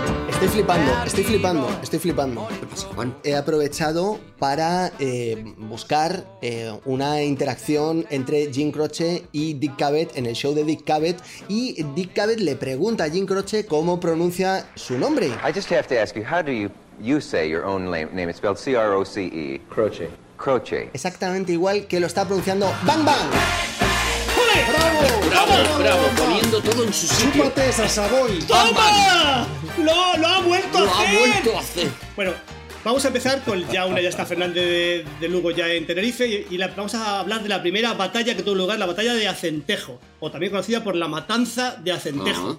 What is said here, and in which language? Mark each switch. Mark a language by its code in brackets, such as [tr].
[es] Estoy flipando. ¿Qué pasa, Juan? He aprovechado para buscar una interacción entre Jim Croce y Dick Cavett en el show de Dick Cavett, y Dick Cavett le pregunta a Jim Croce cómo pronuncia su nombre. [en] I just have to ask you, how do you say your own name? It's spelled C-R-O-C-E. Croce. Croce. [es] Exactamente igual que lo está pronunciando Bang Bang. ¡Bravo! ¡Bravo! ¡Poniendo todo en su sitio! ¡Súpate esa Savoy! ¡Toma! ¡Lo ha vuelto a hacer! Bueno, vamos a empezar con ya está Fernández de Lugo ya en Tenerife y vamos a hablar de la primera batalla que tuvo lugar, la batalla de Acentejo, o también conocida por la Matanza de Acentejo.